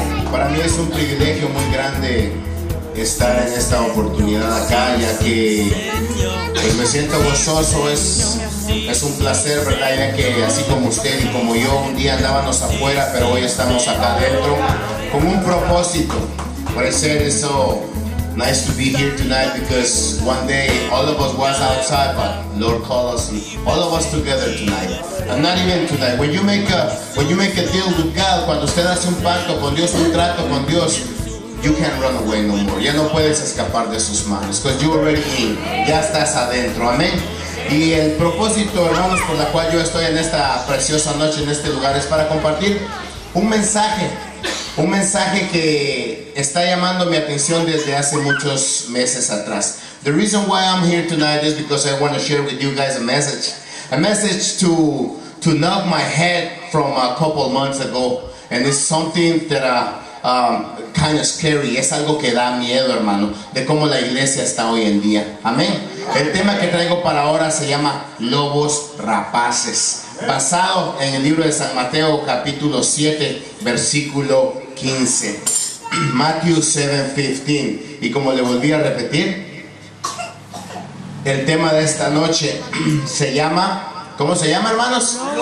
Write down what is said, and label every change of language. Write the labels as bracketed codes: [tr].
[es] Para mí es un privilegio muy grande estar en esta oportunidad acá, ya que pues me siento gozoso, es un placer, ¿verdad? Ya que así como usted y como yo, un día andábamos afuera, pero hoy estamos acá adentro con un propósito. Por eso es [en] so nice to be here tonight, because one day all of us was outside, but Lord called us, all of us together tonight. And not even tonight. When you make a deal with God, [es] cuando usted hace un pacto con Dios, [en] un trato con Dios, you can't run away no more. [es] Ya no puedes escapar de sus manos. [en] Because you already in. [es] Ya estás adentro. Amén. Y el propósito, hermanos, por la cual yo estoy en esta preciosa noche, en este lugar, es para compartir un mensaje. Un mensaje que está llamando mi atención desde hace muchos meses atrás. [en] The reason why I'm here tonight is because I want to share with you guys a message. A message to knock my head from a couple months ago. And it's something that kind of scary. [es] Es algo que da miedo, hermano, de cómo la iglesia está hoy en día. Amén. El tema que traigo para ahora se llama Lobos Rapaces, basado en el libro de San Mateo, capítulo 7, versículo 15. Matthew 7:15. Y como le volví a repetir, el tema de esta noche se llama, ¿cómo se llama, hermanos?